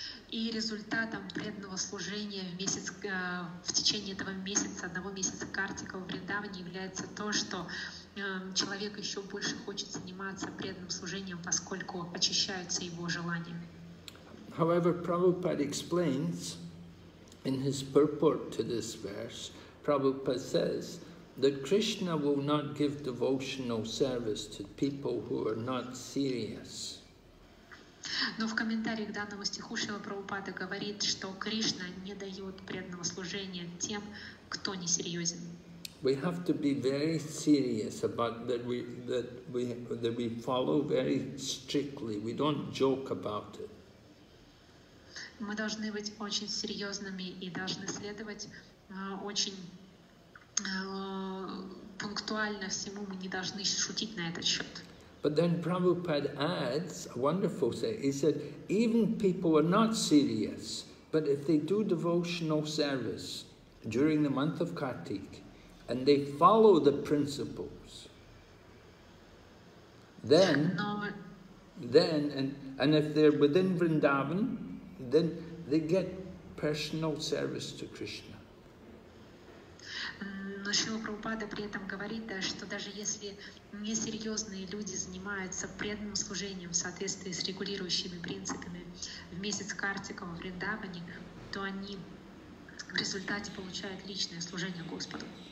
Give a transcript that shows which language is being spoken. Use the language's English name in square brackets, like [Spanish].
[Russian] И результатом преданного служения в течение одного месяца Картика в Вриндаване является то, что человек еще больше хочет заниматься преданным служением, поскольку очищаются его желания. [English] However, Prabhupada explains in his purport to this verse, Prabhupada says that Krishna will not give devotional service to people who are not serious. [Russian] Но в комментарии к данному стиху Шрила Прабхупада говорит, что Кришна не дает преданного служения тем, кто не серьезен. [English] We have to be very serious about that we follow very strictly. We don't joke about it. [Russian] Мы должны быть очень серьезными и должны следовать пунктуально всему. Мы не должны шутить на этот счет. [English] But then Prabhupada adds a wonderful thing. He said, even people are not serious, but if they do devotional service during the month of Kartik and they follow the principles, then if they're within Vrindavan, then they get personal service to Krishna. [Russian] Но Шрила Прабхупада при этом говорит, да, что даже если несерьезные люди занимаются преданным служением в соответствии с регулирующими принципами в месяц Картика в Вриндаване, то они в результате получают личное служение Господу.